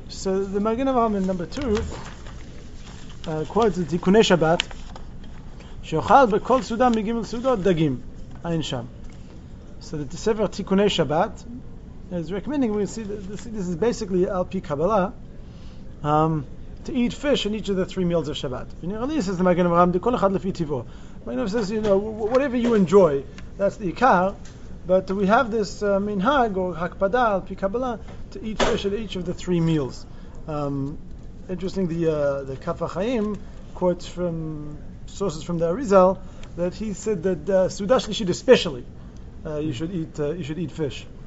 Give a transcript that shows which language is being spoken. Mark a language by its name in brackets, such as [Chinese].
[English] So the Magen Avraham in number two quotes the Tikkuni Shabbat, [Hebrew] שאוכל בכל סעודה מגימל סעודות דגים, אין שם. [English] So the Sefer Tikkuni Shabbat is recommending, we see this is basically [Hebrew] על פי קבלה, [English] to eat fish in each of the three meals of Shabbat. [Hebrew] ונראה לי, [English] says the Magen Avraham, [Hebrew] כל אחד לפי טבעו. [English] Magen Avraham says, you know, whatever you enjoy, that's the עיקר, but we have this minhag, or [Hebrew] הקפדה על פי קבלה, [English] to eat fish at each of the three meals. Interesting, the Kaf HaChaim quotes from sources from the Arizal that he said that Suda Shlishit especially you should eat fish.